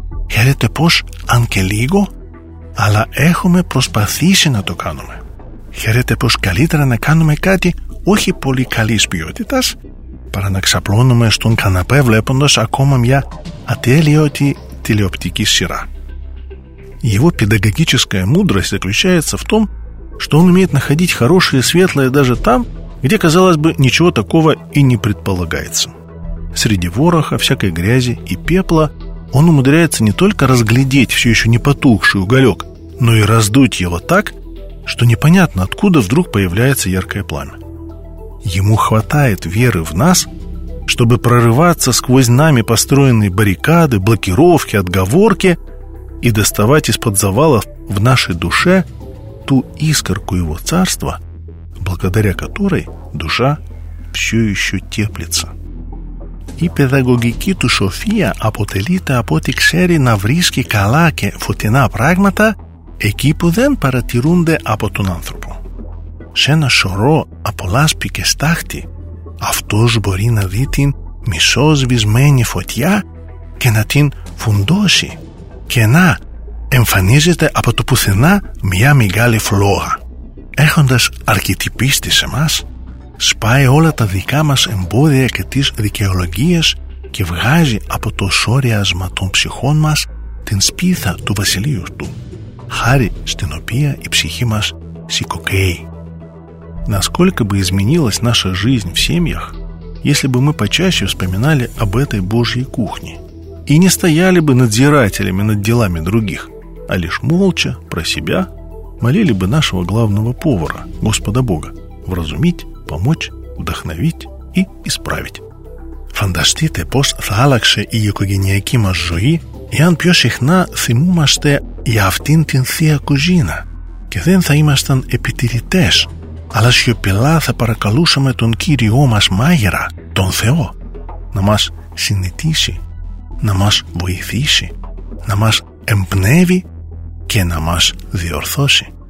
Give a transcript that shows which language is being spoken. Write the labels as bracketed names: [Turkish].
[Greek] Χαίρεται πως, αν και λίγο, αλλά έχουμε προσπαθήσει να το κάνουμε. Χαίρεται πως καλύτερα να κάνουμε κάτι όχι πολύ καλής ποιότητας, παρά να ξαπλώνουμε στον καναπέ βλέποντας ακόμα μια ατέλειωτη τηλεοπτική σειρά. [Russian] Η его педагогическая мудрость заключается в том, что он умеет находить хорошее и светлое даже там, где, казалось бы, ничего такого и не предполагается. Среди вороха, всякой грязи и пепла он умудряется не только разглядеть все еще не потухший уголек, но и раздуть его так, что непонятно откуда вдруг появляется яркое пламя. Ему хватает веры в нас, чтобы прорываться сквозь нами построенные баррикады, блокировки, отговорки и доставать из-под завалов в нашей душе ту искорку его царства, благодаря которой душа все еще теплится. [Greek] Η παιδαγωγική του σοφία αποτελείται από ό,τι ξέρει να βρίσκει καλά και φωτεινά πράγματα εκεί που δεν παρατηρούνται από τον άνθρωπο. Σε ένα σωρό από λάσπη και στάχτη, αυτός μπορεί να δει την μισοσβησμένη φωτιά και να την φουντώσει. Και να, εμφανίζεται από το πουθενά μια μεγάλη φλόγα. Έχοντας αρκετή πίστη σε μας, σπάει όλα τα δικά μας εμπόδια και τις δικαιολογίες και βγάζει από το σώριασμα των ψυχών μας την σπίθα του βασιλείου του, χάρη στην οποία η ψυχή μας σηκωκαίει. [Russian] Насколько бы изменилась наша жизнь в семьях, если бы мы почаще вспоминали об этой Божьей кухне и не стояли бы надзирателями над делами других, а лишь молча, про себя, молили бы нашего главного повара, Господа Бога, вразумить, помочь, вдохновить и исправить. [Greek] Фантастите, пос θα άλλαξε η οικογενειακή μας ζωή, εάν πιο συχνά θυμούμαστε για αυτήν την θεία κουζίνα και δεν θα ήμασταν επιτηρητές, αλλά σιωπηλά θα παρακαλούσαμε τον Κύριό μας μάγειρα, τον Θεό, να μας συνετίσει, να μας βοηθήσει, να μας εμπνεύει και να μας διορθώσει.